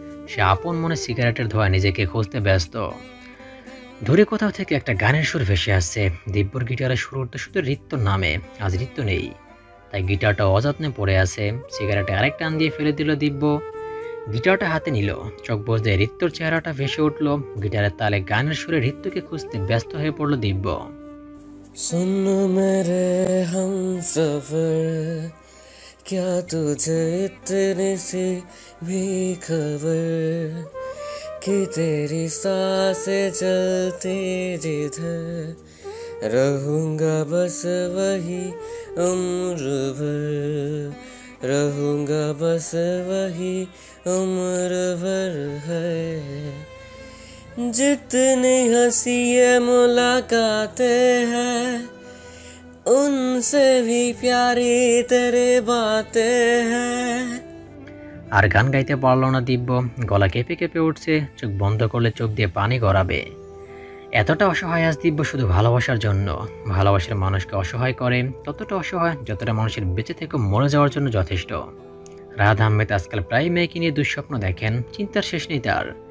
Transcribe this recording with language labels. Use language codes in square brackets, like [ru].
[bn] সে আপন মনে সিগারেটের ধোঁয়া নিজেকে খুঁজতে ব্যস্ত। দূরে কোথাও থেকে একটা গানের সুর ভেসে আসছে, দিব্যর গিটারের সুর তো শুধু রিত্যর নামে, আজ রিত্য নেই, তাই গিটারটা অযত্নে পড়ে আছে। সিগারেটে আরেক টান দিয়ে ফেলে দিল দিব্য, গিটারটা হাতে নিল, চোখ বসে রিত্যর চেহারাটা ভেসে উঠল। গিটারের তালে গানের সুরে রিত্যকে খুঁজতে ব্যস্ত হয়ে পড়ল দিব্য। [hi] सुन मेरे हम सफर क्या तुझे इतनी सी भी खबर कि तेरी सांसें चलती जिधर रहूंगा बस वही उम्र भर रहूंगा बस वही उम्र भर है जितनी हंसी है मुलाकातें हैं उनसे भी प्यारी तेरे बातें हैं। [bn] আর গান গাইতে পারলো না দিব্য, গলা কেঁপে কেঁপে উঠছে, চোখ বন্ধ করলে চোখ দিয়ে পানি গড়াবে। এতটা অসহায় আজ দিব্য শুধু ভালোবাসার জন্য। ভালোবাসার মানুষকে অসহায় করে ততটা অসহায় যতটা মানুষের বেঁচে থেকে মরে যাওয়ার জন্য যথেষ্ট। রাধা আহমেদ আজকাল প্রায় মেয়েকে নিয়ে দুঃস্বপ্ন দেখেন, চিন্তার শেষ নেই তার।